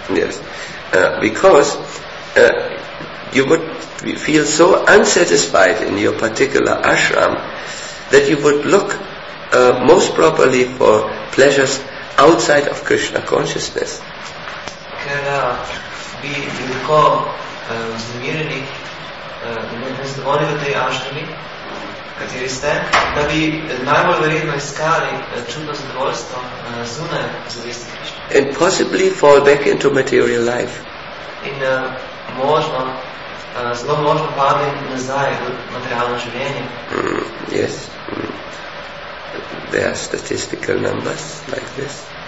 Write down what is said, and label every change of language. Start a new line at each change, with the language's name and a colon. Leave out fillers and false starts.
English: Yes, because you would feel so unsatisfied in your particular ashram that you would look most properly for pleasures outside of Krishna consciousness.
Slovenian: Ker bi lahko vznemirjeni in nezadovoljni v tej ashrami, kateri ste, da bi najbolj verjetno iskali čudno zadovoljstvo zunaj zavesti Krishna.
English: And possibly fall back into material life.
Slovenian: In možno, zelo možno padne nazaj v materialno življenje.
English: Yes. There are statistical numbers like this.